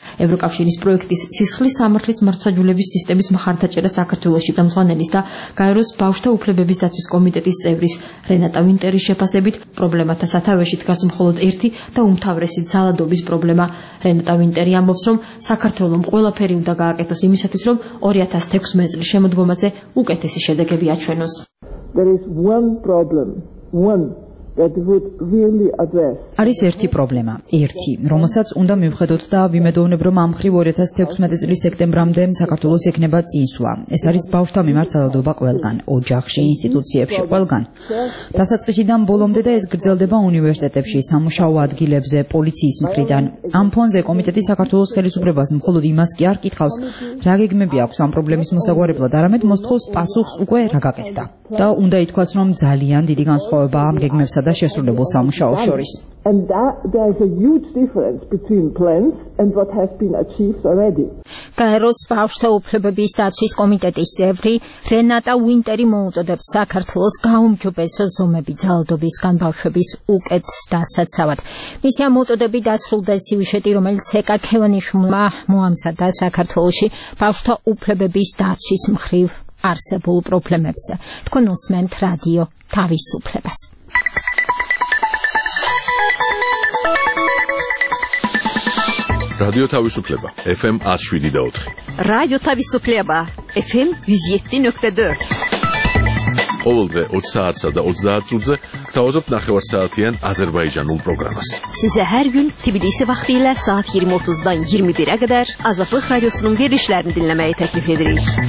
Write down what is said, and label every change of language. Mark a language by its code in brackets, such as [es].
[ka] ევროკავშირის პროექტის სისხლის სამართლის მართლმსაჯულების სისტემის მხარდაჭერა საქართველოში ხელმძღვანელის და გაეროს ბავშვთა უფლებების დაცვის კომიტეტის წევრის რენატა ვინტერის შეფასებით, პრობლემათა სათავეში დგას მხოლოდ ერთი და უმთავრესი ძალადობის პრობლემა. რენატა ვინტერი ამბობს, რომ საქართველომ ყველაფერი უნდა გააკეთოს იმისათვის, რომ 2016 წლის შემოდგომაზე უკეთესი შედეგები აჩვენოს. [en] There is one problem. One that would really address. [ka] არის ერთი პრობლემა, ერთი, რომელსაც უნდა მივხედოთ და ვიმედოვნებ, რომ ამხრივ 2016 წლის სექტემბრამდე საქართველოს ექნება წინსვლა. ეს არის ბავშვთა მიმართ ძალადობა ყველგან, ოჯახში, ინსტიტუციებში, ყველგან. დასაწყისიდან ბოლომდე და ეს გრძელდება უნივერსიტეტებში, სამუშაო ადგილებზე, პოლიციის მხრიდან. ამ ფონზე კომიტეტი საქართველოს ხელისუფლებას მხოლოდ იმას კი არ კითხავს, რა გეგმები აქვს ამ პრობლემის მოსაგვარებლად, არამედ მოსთხოვს პასუხს უკვე რა გაკეთდა. და უნდა ითქვას, რომ ძალიან დიდი განსხვავებაა ამ გეგმებს და შესრულებულ სამუშაოს შორის. [en] And that there's a huge difference between plans and what has been achieved already. [ka] გაეროს ბავშვთა უფლებების დაცვის კომიტეტის წევრი რენატა ვინტერი მოუწოდებს საქართველოს გაუმჯობესოს ზომები ძალადობის განბავშვების უკეთ დასაცავად. მისი მოუწოდები დასრულდეს სიუჟეტი, რომელიც ეკა ქევანიშვილმა მოამზადა საქართველოში ბავშვთა უფლებების დაცვის მხრივ არსებულ პრობლემებზე. თქვენ უსმენთ რადიო თავისუფლებას. Радио თავისუფლება FM 107.4. Радио თავისუფლება FM 107.4. ყოველდღე 20 საათსა და 30 წუთზე თავაზობ ნახევარ საათიან აზერბაიჯანულ პროგრამას. [az] Size her gün Tbilisi vaktiyle saat 20:30'dan 21'e kadar Azatlık Radyosu'nun verilişlerini dinlemeyi teklif ederiz.